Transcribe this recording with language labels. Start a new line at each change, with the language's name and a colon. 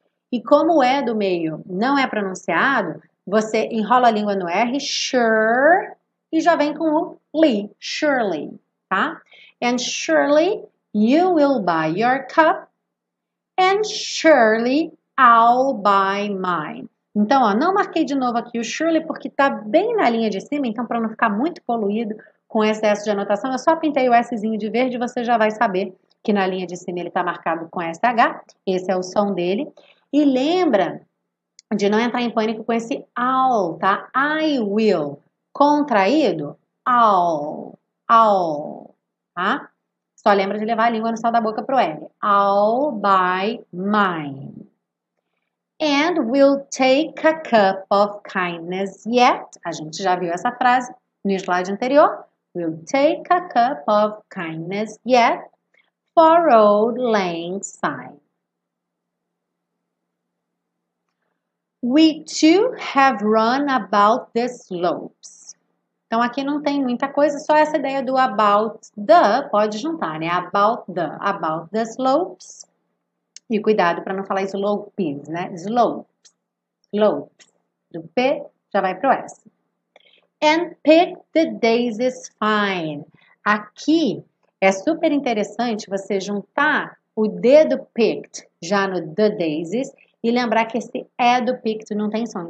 Portuguese: E como o E do meio não é pronunciado, você enrola a língua no R,
English: sure,
Portuguese: e já vem com o li,
English: surely.
Portuguese: Tá?
English: And surely, you will buy your cup. And surely I'll buy mine.
Portuguese: Então, ó, não marquei de novo aqui o surely porque tá bem na linha de cima. Então, para não ficar muito poluído com excesso de anotação, eu só pintei o Szinho de verde e você já vai saber que na linha de cima ele tá marcado com SH. Esse é o som dele. E lembra de não entrar em pânico com esse I'll, tá?
English: I will.
Portuguese: Contraído,
English: I'll, tá?
Portuguese: Só lembra de levar a língua no céu da boca pro L.
English: I'll buy mine. And we'll take a cup of kindness yet.
Portuguese: A gente já viu essa frase no slide anterior.
English: We'll take a cup of kindness yet for old lang syne. We too have run about the slopes.
Portuguese: Então, aqui não tem muita coisa, só essa ideia do
English: about the,
Portuguese: pode juntar, né?
English: About the slopes.
Portuguese: E cuidado para não falar slow pis, né?
English: Slow. Slow.
Portuguese: Do P já vai para o S.
English: And pick the days is fine.
Portuguese: Aqui é super interessante você juntar o D do picked já no
English: the daisies
Portuguese: e lembrar que esse E do picked não tem som.